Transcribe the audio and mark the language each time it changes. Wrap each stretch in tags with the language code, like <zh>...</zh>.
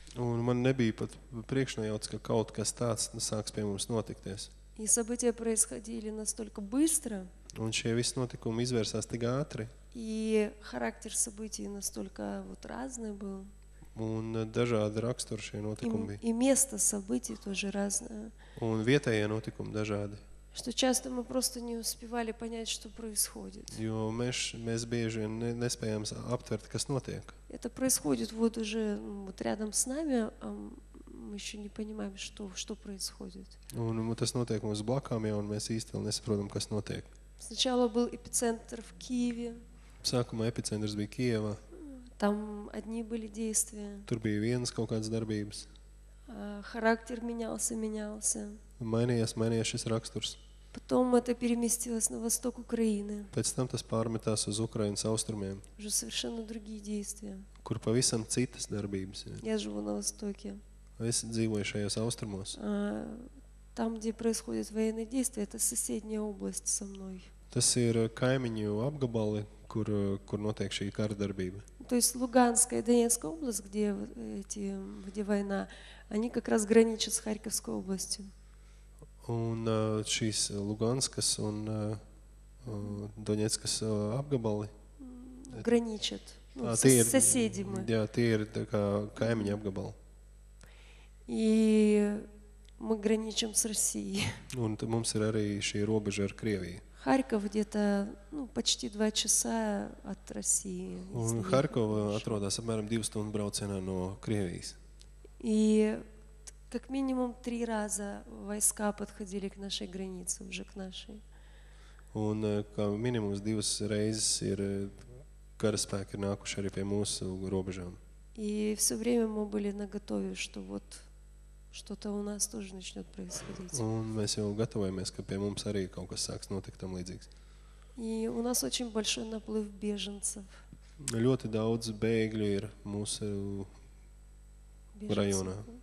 <lv>Un man nebija pat priekšnojauts, ka kaut kas tāds sāks pie mums notikties.</lv> <ru>И события происходили настолько быстро.</ru> <lv>Un šie visi notikumi izvērsās tik ātri.</lv> <ru>И характер событий настолько вот разный был.</ru> <lv>Un dažādi raksturi šie notikumi bija.</lv> <ru>И место событий тоже разное.</ru> <lv>Un vietējie notikumi dažādi.</lv> <ru>Что часто мы просто не успевали понять, что происходит.</ru> <lv>Jo mēs bieži vien nespējām aptvert, kas notiek.</lv> <ru>Это происходит вот уже вот рядом с нами, а мы еще не понимаем, что, что происходит.</ru> <lv>Un tas notiek mums blakām, ja, un mēs īsti vēl nesaprotam, kas notiek.</lv> <ru>Сначала был эпицентр в Киеве.</ru> <lv>Sākumā epicentrs bija Kijevā.</lv> <ru>Там одни были действия.</ru> <lv>Tur bija vienas kaut kādas darbības.</lv> <ru>Характер менялся, менялся.</ru> <lv>Mainījās, mainījās šis raksturs.</lv> <ru>Потом это переместилось на восток Украины.</ru> <lv>Pēc tam tas pārmetās uz Ukrainas austrumiem.</lv> <ru>Уже совершенно другие действия.</ru> <lv>Kur pavisam citas darbības.</lv> <ru>Я живу на востоке.</ru> <lv>Es dzīvoju šajos austrumos.</lv> <ru>Там, где происходят военные действия, это соседняя область со мной.</ru> <lv>Tas ir kaimiņu apgabali, kur, kur notiek šī kara darbība.</lv> <ru>То есть Луганская и Донецкая область, где эти, где война, они как раз граничат с Харьковской областью.</ru> <lv>Un šīs Луганскас un Донецкас apgabali</lv> <ru>граничат. Ну, соседи мы.</ru> <lv>Jā, tie ir tā kā kaimiņu apgabali.</lv> <ru>И мы граничим с Россией.</ru> <lv>Un mums ir arī šī robeža ar Krieviju.</lv> <ru>Харьков где-то, ну, почти 2 часа от России.</ru> <lv>Un Харьков atrodas apmēram 2 stundu braucienā no Krievijas.</lv> <ru>И как минимум 3 раза войска подходили к нашей границе, уже к нашей.</ru> <lv>Un kā minimums 2 reizes ir karaspēki nākuši arī pie mūsu robežām.</lv> <ru>И все время мы были наготове, что вот что-то у нас тоже начнет происходить.</ru> <lv>Un mēs jau gatavojamies, ka pie mums arī kaut kas sāks notikt tam līdzīgs.</lv> <ru>И у нас очень большой наплыв беженцев.</ru> <lv>Ļoti daudz bēgļu ir mūsu rajonā.</lv>